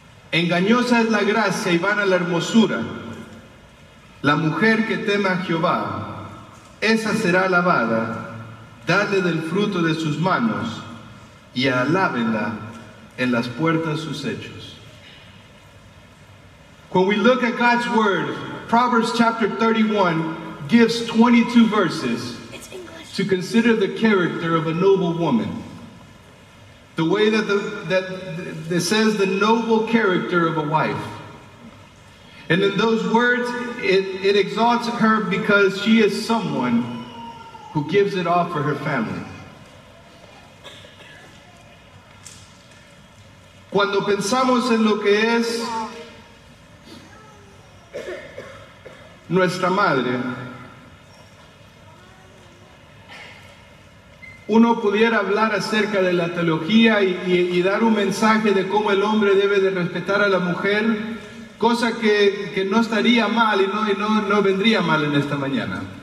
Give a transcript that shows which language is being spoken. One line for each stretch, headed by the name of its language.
Spanish: Engañosa es la gracia y vana la hermosura. La mujer que teme a Jehová, esa será alabada, dale del fruto de sus manos y alábenla en las puertas sus hechos.
English: When we look at God's word, Proverbs chapter 31 gives 22 verses to consider the character of a noble woman. The way that that says the noble character of a wife. And in those words, it exalts her because she is someone who gives it all for her family.
Spanish: Cuando pensamos en lo que es nuestra madre, uno pudiera hablar acerca de la teología y dar un mensaje de cómo el hombre debe de respetar a la mujer, cosa que no estaría mal y no vendría mal en esta mañana.